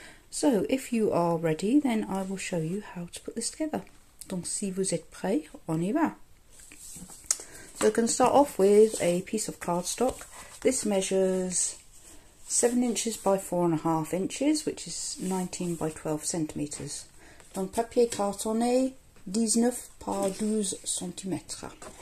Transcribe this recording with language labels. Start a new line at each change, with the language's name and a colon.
English: So if you are ready, then I will show you how to put this together.
French: Donc si vous êtes prêt, on y va.
English: So we're going to start off with a piece of cardstock. This measures 7 inches by 4.5 inches, which is 19 by 12 centimetres.
French: Donc papier cartonné, 19 par 12 centimetres.